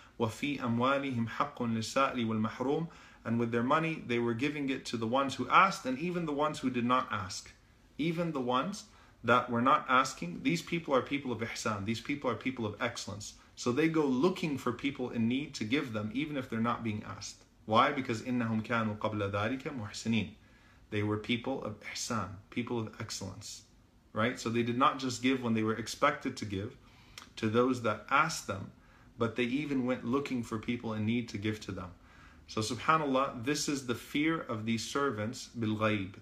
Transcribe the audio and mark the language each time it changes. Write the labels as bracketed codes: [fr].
[ar] وَفِي أَمْوَالِهِمْ حَقٌ لِلسَّائِلِ وَالْمَحْرُومِ. [en] And with their money, they were giving it to the ones who asked and even the ones who did not ask. Even the ones that were not asking, these people are people of ihsan, these people are people of excellence. So they go looking for people in need to give them, even if they're not being asked. Why? Because [ar] إِنَّهُمْ كَانُوا قَبْلَ ذَٰلِكَ مُحْسِنِينَ. [en] They were people of ihsan, people of excellence. Right? So they did not just give when they were expected to give to those that asked them, but they even went looking for people in need to give to them. So subhanAllah, this is the fear of these servants, bilghayb.